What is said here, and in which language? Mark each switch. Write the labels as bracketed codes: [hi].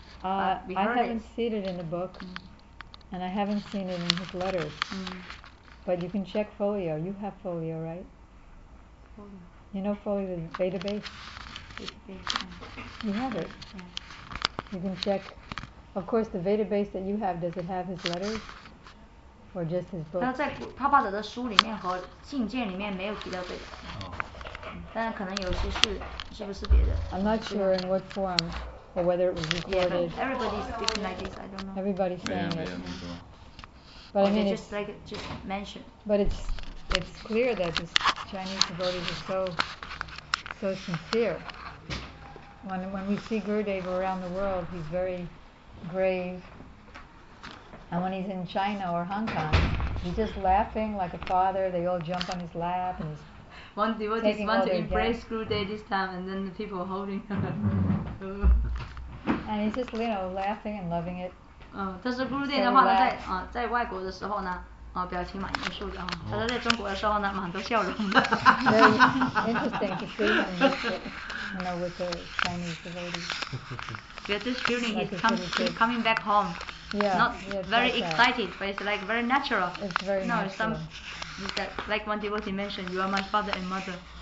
[en] I haven't seen it in the book, and I haven't seen it in his letters. But you can check folio. You have folio, right? Folio. You know folio, the database? Yeah. You have it. Yeah. You can check. Of course, the database that you have, does it have his letters? Or just his book. [zh] 他在帕帕德的书里面和信件里面没有提到这个，但可能有些是不是别的 [en] ？I'm not sure in what form or whether it was recorded. Yeah, but everybody speaking like this, I don't know. Everybody saying it. But I mean, just mentioned. But it's clear that these Chinese devotees are so sincere. When we see Gurudev around the world, he's very grave. And when he's in China or Hong Kong, he's just laughing like a father. They all jump on his lap and he's one devotee want to embrace Gurudev this time, and then the people are holding him. And he's just, you know, laughing and loving it. [zh] 但是 Gurudev 的话呢，在在外国的时候呢，表情蛮严肃的啊。他在中国的时候呢，蛮多笑容的。 [en] Very interesting to see him, you know, with the Chinese devotees. Get this feeling he's coming back home. Yeah, not yeah, very excited, but it's like very natural. It's very no, natural. No, some that, like one devotee mentioned, you are my father and mother.